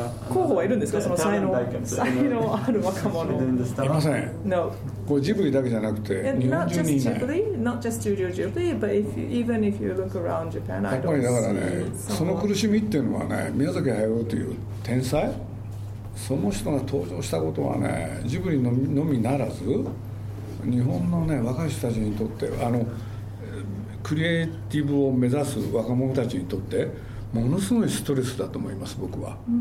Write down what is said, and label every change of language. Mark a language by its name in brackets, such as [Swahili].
[Japanese] 候補はいるんですか、その才能、才能ある若者。いません。 [English] No. [Japanese] これジブリだけじゃなくて日本中にいない。 [English] Not just Ghibli, not just Studio Ghibli, but if you, even if you look around Japan, [Japanese] やっぱりだからね、その苦しみっていうのはね、宮崎駿という天才、その人が登場したことはね、ジブリのみならず日本のね若い人たちにとって、あのクリエイティブを目指す若者たちにとってものすごいストレスだと思います、僕は。